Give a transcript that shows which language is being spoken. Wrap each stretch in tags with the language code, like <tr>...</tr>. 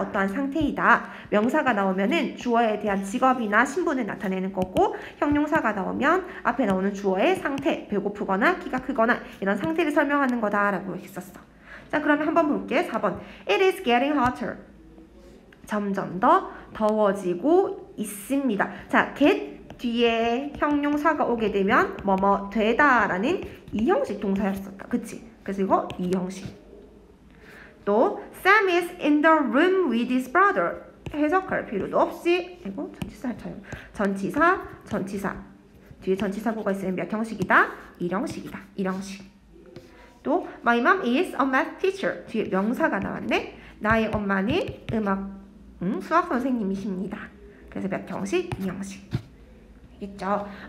<ko>어떠한 상태이다. 명사가 나오면은 주어에 대한 직업이나 신분을 나타내는 거고 형용사가 나오면 앞에 나오는 주어의 상태, 배고프거나 키가 크거나 이런 상태를 설명하는 거다라고 했었어. 자, 그러면 한번 볼게요. 4번.</ko> <en>It is getting hotter.</en> <ko>점점 더 더워지고 있습니다. 자, get 뒤에 형용사가 오게 되면 뭐뭐 되다 라는 2형식 동사였었다. 그치? 그래서 이거 2형식. 또</ko> <en>Sam is in the room with his brother.</en> <ko>해석할 필요도 없이 이거 전치사 할까요? 전치사, 전치사. 뒤에 전치사 보고 있으면 몇 형식이다? 1형식이다. 1형식. 또</ko> <en>My mom is a math teacher.</en> <ko>뒤에 명사가 나왔네. 나의 엄마는 음악 수학 선생님이십니다. 그래서 몇 형식? 2형식. 알겠죠?</ko>